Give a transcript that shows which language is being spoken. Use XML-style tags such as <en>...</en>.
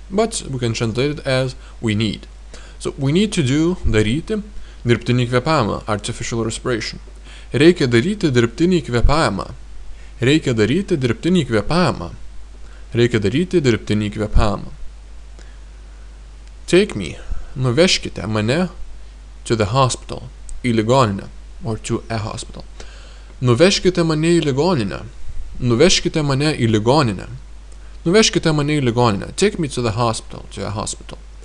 <en>But we can translate it as we need. So we need to do</en> <lt>daryti dirbtinį kvėpavimą,</lt> <en>artificial respiration.</en> <lt>Reikia daryti dirbtinį kvėpavimą. Reikia daryti dirbtinį kvėpavimą. Reikia daryti dirbtinį kvėpavimą.</lt> <en>Take me.</en> <lt>Nuveškite mane</lt> <en>to the hospital.</en> <lt>Į ligoninę,</lt> <en>or to a hospital.</en> <lt>Nuveškite mane į ligoninę. Nuveškite mane į ligoninę. Nuveškite mane į ligoninę.</lt> <en>Take me to the hospital, to a hospital.</en>